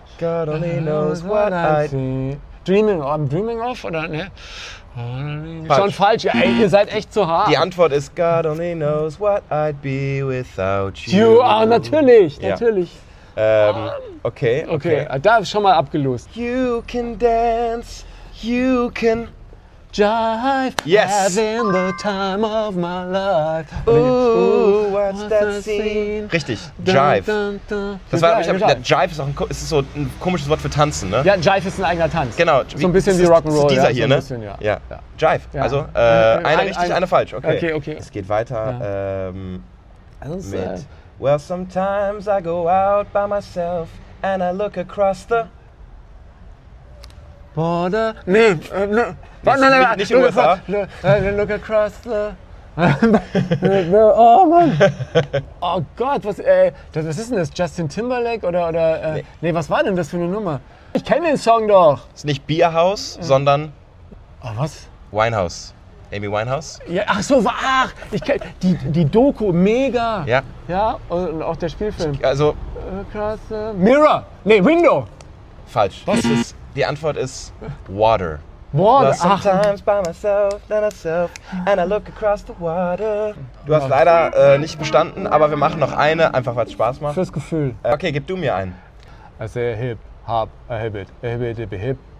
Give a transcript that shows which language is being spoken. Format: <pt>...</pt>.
<en>God only knows what I'd see. Dreaming of, I'm dreaming of,</en> <de>oder ne? Schon falsch, ey, ihr seid echt zu hart. Die Antwort ist,</de> <en>God only knows what I'd be without you. You are,</en> <de>natürlich, natürlich. Okay. Da ist schon mal abgelost.</de> <en>You can dance, you can... Jive, yes. Having the time of my life. Ooh, what's that scene?</en> <de>Richtig,</de> <en>Jive.</en> <de>Das war, Jive ist auch ist so ein komisches Wort für Tanzen, ne? Ja, Jive ist ein eigener Tanz. Genau. So ein bisschen wie Rock'n'Roll. Das ist dieser hier, ne? Bisschen, ja. Jive. Ja. Also, eine richtig, eine falsch. Okay. Okay. Es geht weiter mit</de> <en>Well, sometimes I go out by myself and I look across the Border.</en> <de>Nicht USA.</de> <en>Look across the.</en> <de>Oh Mann. Oh Gott, was ist denn das? Justin Timberlake oder nee, was war denn das für eine Nummer? Ich kenne den Song doch. Ist nicht Bierhaus, sondern. Oh, was? Winehouse. Amy Winehouse? Ja, ach so, ach, ich kenne die Doku, mega. Ja. Ja, und auch der Spielfilm. Also.</de> <en>Across the. Mirror.</en> <de>Nee,</de> <en>Window.</en> <de>Falsch. Was ist? Die Antwort ist Water.</de> <en>Water? Sometimes by myself, by myself, and I look across the water.</en> <de>Du hast leider nicht bestanden, aber wir machen noch eine, einfach weil es Spaß macht. Fürs Gefühl. Okay, gib du mir einen.</de> <en>I say a hip, hop, a habit, a hip, a hip, a hip,</en>